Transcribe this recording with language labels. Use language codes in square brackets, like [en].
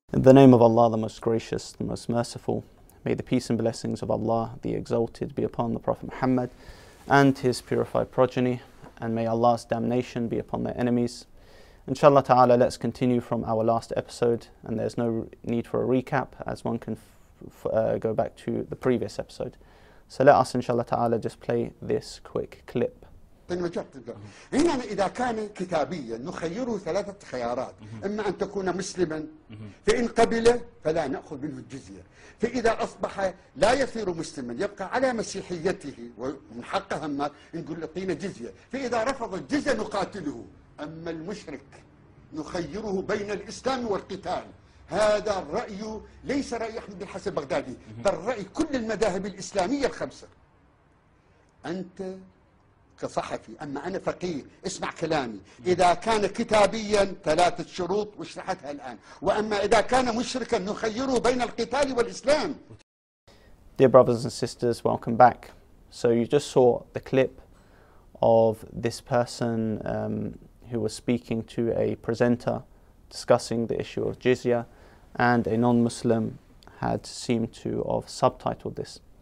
[en] the name of Allah, the Most Gracious, the Most Merciful. May the peace and blessings of Allah, the Exalted, be upon the Prophet Muhammad and his purified progeny. And may Allah's damnation be upon their enemies. Inshallah ta'ala, let's continue from our last episode. And there's no need for a recap, as one can go back to the previous episode. So let us, inshallah ta'ala, just play this quick clip. [ar] هنا إذا كان كتابيا نخيره ثلاثة خيارات إما أن تكون مسلما فإن قبل فلا نأخذ منه الجزية فإذا أصبح لا يصير مسلما يبقى على مسيحيته ومن حقها ما نقول أعطينا جزية فإذا رفض الجزية نقاتله أما المشرك نخيره بين الإسلام والقتال هذا الرأي ليس رأي أحمد بن حسن البغدادي بل رأي كل المذاهب الإسلامية الخمسة أنت كصحفي أما أنا فقيه اسمع كلامي إذا كان كتابيا ثلاثة شروط وشرحتها الآن وأما إذا كان مشركا نخيره بين القتال والإسلام. [en] Dear brothers and sisters, welcome back. So you just saw the clip of this person who was speaking to a presenter discussing the issue of jizya, and a non-Muslim had seemed to have subtitled this.